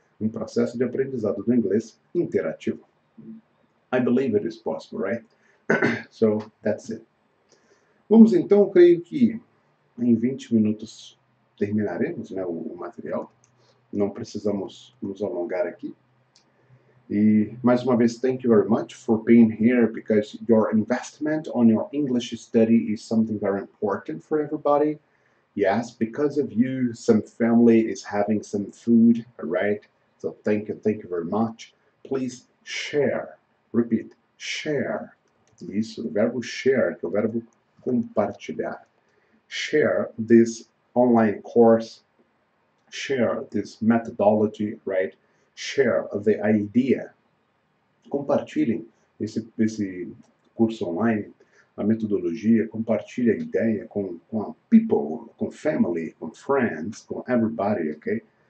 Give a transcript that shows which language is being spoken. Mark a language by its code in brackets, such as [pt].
[pt] Um processo de aprendizado do inglês interativo. [en] I believe it is possible, right? So, that's it. [pt] Vamos então, creio que em 20 minutos terminaremos, né, o material. Não precisamos nos alongar aqui. E mais uma vez, [en] thank you very much for being here, because your investment on your English study is something very important for everybody. Yes, because of you, some family is having some food, right? So thank you very much. Please share. Repeat, share. [pt] Isso, o verbo share, que é o verbo compartilhar. [en] Share this online course, share this methodology, right? Share the idea. [pt] Compartilhem esse curso online, a metodologia, compartilhe a ideia com people, com family, com friends, com everybody, okay?